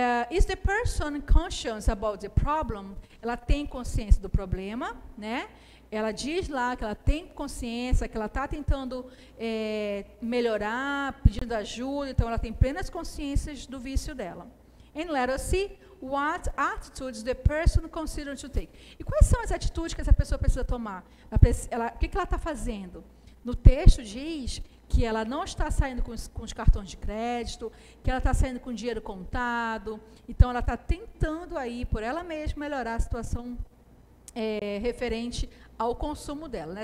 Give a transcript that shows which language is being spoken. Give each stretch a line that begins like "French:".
English: Is the person conscious about the problem?
Portuguese: Ela tem consciência do problema, né? Ela diz lá que ela tem consciência, que ela está tentando melhorar, pedindo ajuda, então ela tem plenas consciências do vício dela.
English: And let us see what attitudes the person considers to take.
Portuguese: E quais são as atitudes que essa pessoa precisa tomar? O que ela está fazendo? No texto diz que ela não está saindo com os cartões de crédito, que ela está saindo com dinheiro contado. Então, ela está tentando aí, por ela mesma, melhorar a situação referente ao consumo dela, né?